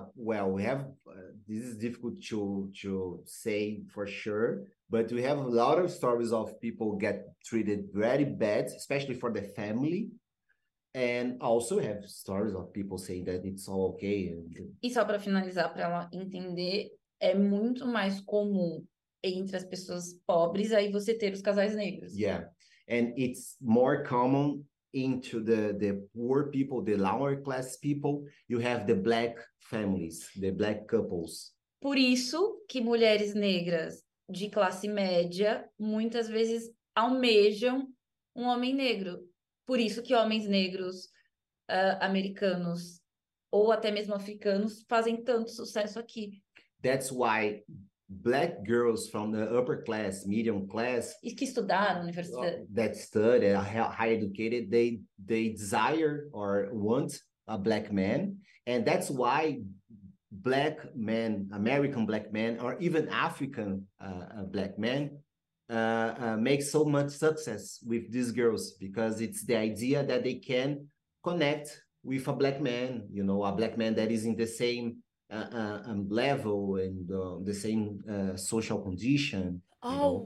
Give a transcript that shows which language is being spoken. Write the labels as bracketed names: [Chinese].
[English] Well, we have this is difficult to say for sure, but we have a lot of stories of people get treated very bad, especially for the family. And also have stories of people saying that it's all okay. [Portuguese] E só para finalizar, para ela entender, é muito mais comum entre as pessoas pobres aí você ter os casais negros. [English] And it's more common into the poor people, the lower class people, you have the black families, the black couples. [Portuguese] Por isso que mulheres negras de classe média muitas vezes almejam um homem negro. Por isso que homens negros, americanos ou até mesmo africanos fazem tanto sucesso aqui. [English] That's why black girls from the upper class, middle class, [Portuguese] E que estudaram na universidade. [English] that study, higher educated, they desire or want a black man. And that's why black men, American black men, or even African black men, make so much success with these girls because it's the idea that they can connect with a black man, you know, a black man that is in the same level and the same social condition, you